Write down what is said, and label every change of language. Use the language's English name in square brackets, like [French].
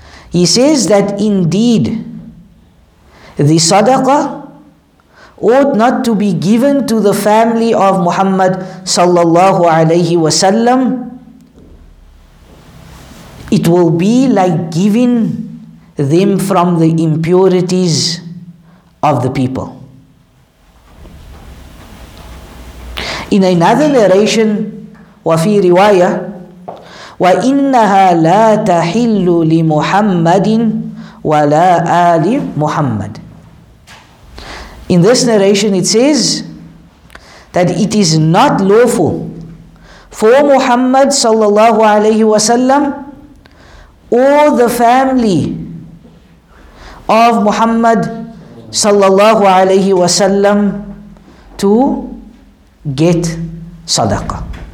[English] He says that indeed the sadaqah ought not to be given to the family of Muhammad sallallahu alayhi wasallam. It will be like giving them from the impurities of the people. In another narration, [Arabic] وفي رواية وإنها لا تحل لمحمد ولا آل محمد. [English] In this narration it says that it is not lawful for Muhammad sallallahu alayhi wasallam or the family of Muhammad sallallahu alayhi wasallam to get sadaqah.